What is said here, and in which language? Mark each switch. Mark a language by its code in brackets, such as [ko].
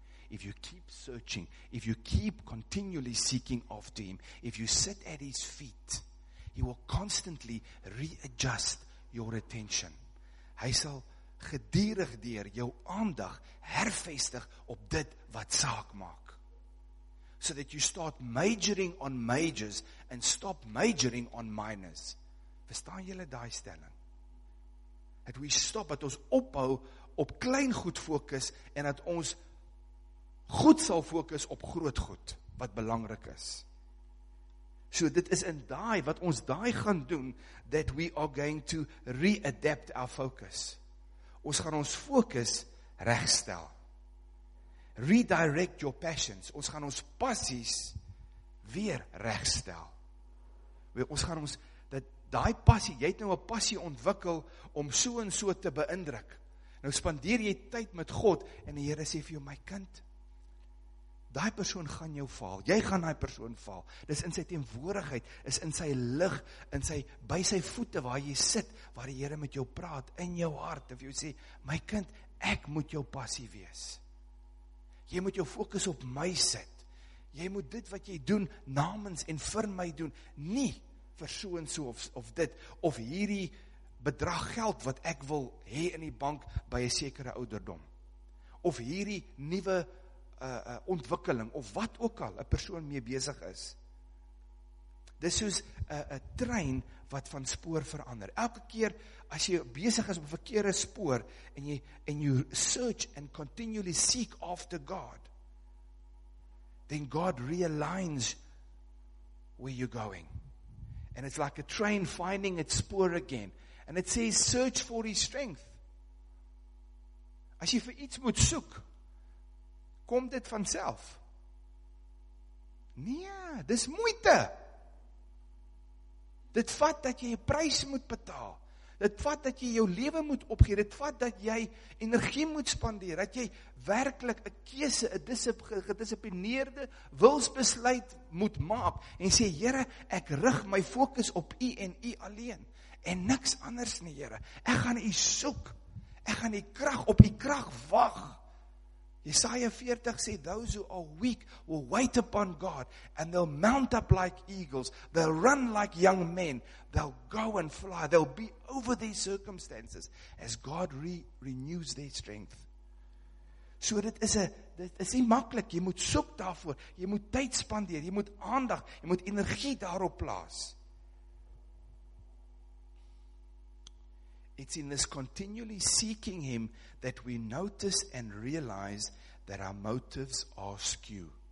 [en] If you keep searching, if you keep continually seeking after Him, if you sit at His feet, He will constantly readjust your attention. [af] Hy sal gedurig deur jou aandag hervestig op dit wat saak maak. [en] So that you start majoring on majors and stop majoring on minors. [af] Verstaan julle daai stelling? Dat we stop, dat ons ophou op klein goed fokus en dat ons goed sal fokus op groot goed, wat belangrik is. So dit is in daai, wat ons daai gaan doen, [en] that we are going to readapt our focus. [af] Ons gaan ons fokus regstel. [en] Redirect your passions. [af] Ons gaan ons passies weer regstel. Ons gaan ons, dat daai passie, jy het nou 'n passie ontwikkel om so en so te beïndruk. Nou spandeer jy tyd met God en die Here sê vir jou, my kind, daai persoon gaan jou val, jy gaan daai persoon val, dis in sy teenwoordigheid, is in sy lig, in sy, by sy voete waar jy sit, waar die Here met jou praat, in jou hart, of jy sê, my kind, ek moet jou passie wees, jy moet jou fokus op my sit, jy moet dit wat jy doen, namens en vir my doen, nie vir so en so, of dit, of hierdie bedrag geld, wat ek wil hê in die bank, by 'n sekere ouderdom, of hierdie nuwe ontwikkeling, of wat ook al een persoon mee bezig is. Dis soos een trein wat van spoor verander. Elke keer, as jy bezig is op verkeerde spoor, en you search and continually seek after God, then God realigns where you're going. [en] And it's like a train finding its spoor again. And it says, search for His strength. [af] As jy vir iets moet soek, kom dit vanself? Nee, dis moeite. Dit vat dat jy 'n prys moet betaal. Dit vat dat jy jou lewe moet opgee. Dit vat dat jy energie moet spandeer. Dat jy werklik 'n keuse, 'n gedissiplineerde wilsbesluit moet maak. En sê, Here, ek rig my fokus op U en U alleen. En niks anders nie, Here. Ek gaan U soek. Ek gaan die krag op U krag wag. [en] Jesaja 40 sê, those who are weak will wait upon God, and they'll mount up like eagles, they'll run like young men, they'll go and fly, they'll be over their circumstances, as God renews their strength. [af] So dit is nie maklik, jy moet soek daarvoor, jy moet tyd spandeer, jy moet aandag, jy moet energie daarop plaas. [en] It's in this continually seeking Him that we notice and realize that our motives are skew.